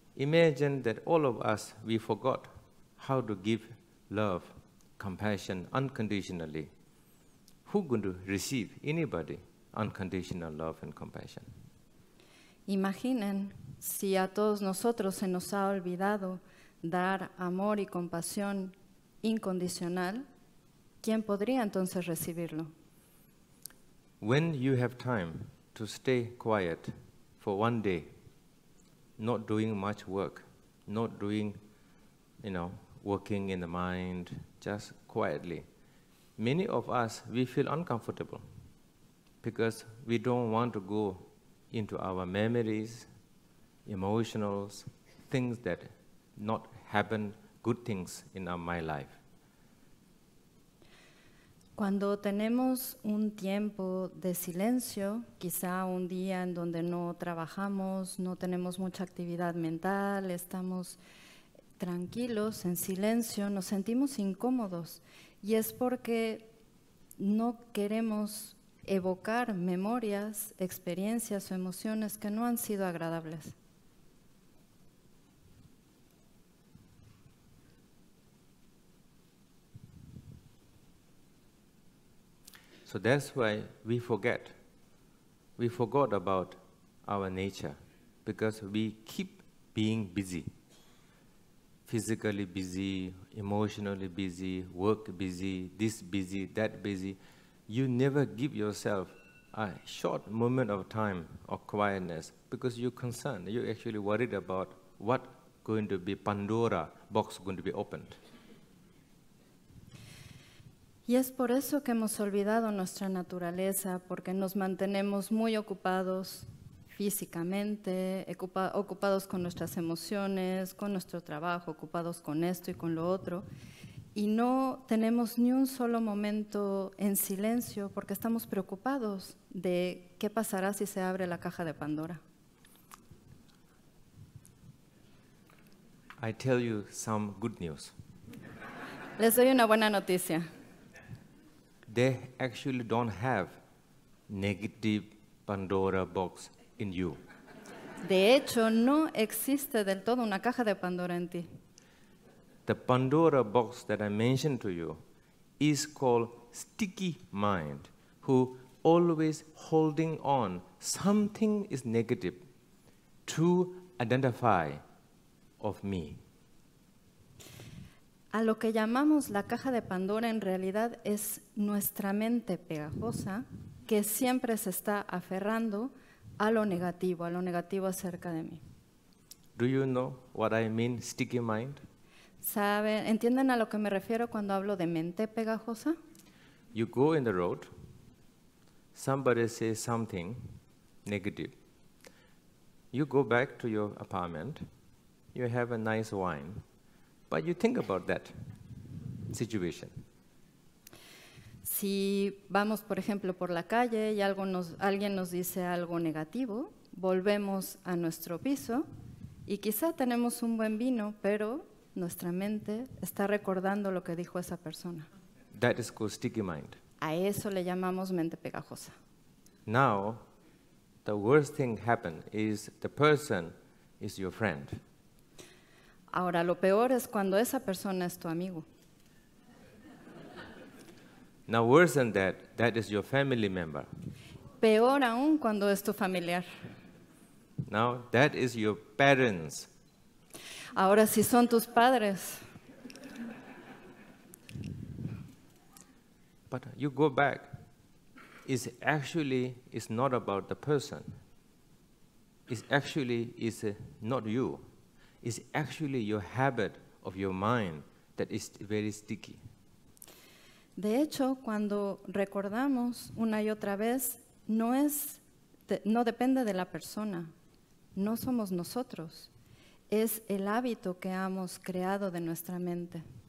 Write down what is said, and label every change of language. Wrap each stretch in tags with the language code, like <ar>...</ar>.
<en>Imagine that all of us, we forgot how to give love, compassion, unconditionally. who going to receive anybody unconditional love and compassion?</en> <es>Imaginen si a todos nosotros se nos ha olvidado dar amor y compasión incondicional, ¿quién podría entonces recibirlo?</es> <en>When you have time to stay quiet for one day, not doing much work, not doing, you know, working in the mind, just quietly, many of us, we feel uncomfortable because we don't want to go into our memories, emotionals, things that not happen, good things in my life.</en> <es>Cuando tenemos un tiempo de silencio, quizá un día en donde no trabajamos, no tenemos mucha actividad mental, estamos tranquilos, en silencio, nos sentimos incómodos. Y es porque no queremos evocar memorias, experiencias o emociones que no han sido agradables.</es> <en>So that's why we forget. We forgot about our nature because we keep being busy. Physically busy, emotionally busy, work busy, this busy, that busy. You never give yourself a short moment of time or quietness because you're concerned. You're actually worried about what going to be Pandora box going to be opened.</en> <es>Y es por eso que hemos olvidado nuestra naturaleza, porque nos mantenemos muy ocupados físicamente, ocupados con nuestras emociones, con nuestro trabajo, ocupados con esto y con lo otro. Y no tenemos ni un solo momento en silencio porque estamos preocupados de qué pasará si se abre la caja de Pandora.</es> <en>I tell you some good news.</en> <es>Les doy una buena noticia.</es> <en>They actually don't have negative Pandora box in you.</en> <es>De hecho, no existe del todo una caja de Pandora en ti.</es> <en>The Pandora box that I mentioned to you is called sticky mind, who always holding on something is negative to identify of me.</en> <es>A lo que llamamos la caja de Pandora en realidad es nuestra mente pegajosa que siempre se está aferrando a lo negativo acerca de mí.</es> <en>Do you know what I mean, sticky mind?</en> <es>¿Saben? ¿Entienden a lo que me refiero cuando hablo de mente pegajosa?</es> <en>You go in the road, somebody says something negative. You go back to your apartment, you have a nice wine. But you think about that situation.</en> <es>Si vamos, por ejemplo, por la calle y alguien nos dice algo negativo, volvemos a nuestro piso y quizá tenemos un buen vino, pero nuestra mente está recordando lo que dijo esa persona.</es> <en>That is called sticky mind.</en> <es>A eso le llamamos mente pegajosa.</es> <en>Now, the worst thing happened is the person is your friend.</en> <es>Ahora, lo peor es cuando esa persona es tu amigo.</es> <en>Now, worse than that, that is your family member.</en> <es>Peor aún cuando es tu familiar.</es> <en>Now, that is your parents.</en> <es>Ahora, si son tus padres.</es> <en>But you go back. It's not about the person. It's not you. Is actually your habit of your mind that is very sticky.</en> <es>De hecho, cuando recordamos una y otra vez, no depende de la persona, no somos nosotros, es el hábito que hemos creado de nuestra mente.</es>